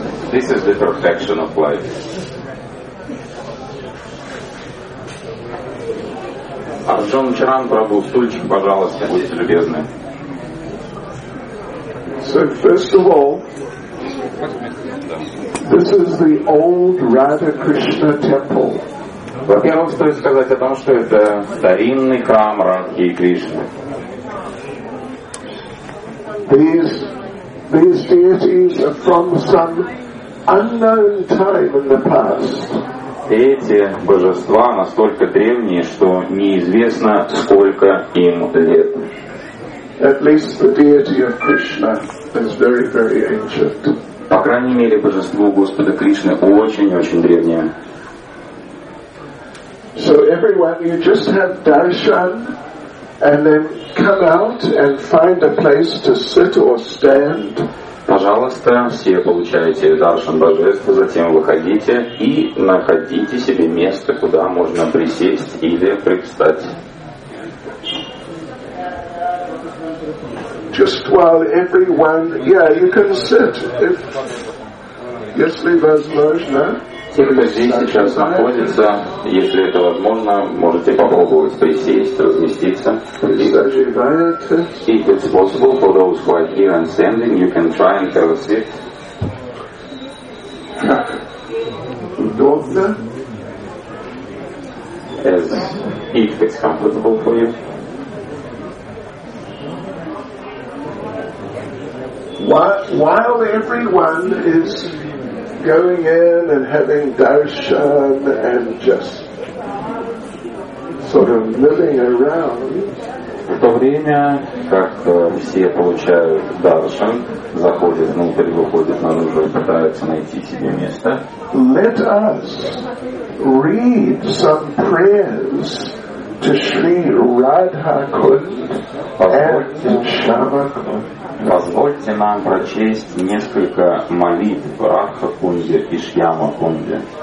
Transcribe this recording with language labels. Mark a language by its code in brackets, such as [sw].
[en] This is the perfection of life. [ru] Арджун Чаран Прабху, стульчик, пожалуйста, будьте любезны. [en] So first of all, this is the old Radha Krishna temple. [ru] Во-первых, стоит сказать о том, что это старинный храм Радхи и Кришны. [en] These deities are from some unknown time in the past. [ru] Эти божества настолько древние, что неизвестно, сколько им лет. [en] At least the deity of Krishna is very, very ancient. [ru] По крайней мере, божество Господа Кришны очень-очень древнее. [en] So everyone, you just have darshan, and then come out and find a place to sit or stand. [ru] Пожалуйста, все получаете даршан божества, затем выходите и находите себе место, куда можно присесть или предстать. [en] Just while everyone, yeah, you can sit. [ru] If, если возможно. Те, кто здесь сейчас находится, если это возможно, можете попробовать присесть, разместиться. [en] If it's possible for those who are here and standing, you can try and have a seat. [ru] Удобно? [en] As if it's comfortable for you. While everyone is going in and having darshan and just sort of living around. [ru] В то время, как все получают даршан, заходят внутрь, выходят наружу и пытаются найти себе место. [en] Let us read some prayers to Sri Radha Kund and Shama Kund. [ru] Позвольте нам прочесть несколько молитв Радха Кунде и Шьяма Кунде.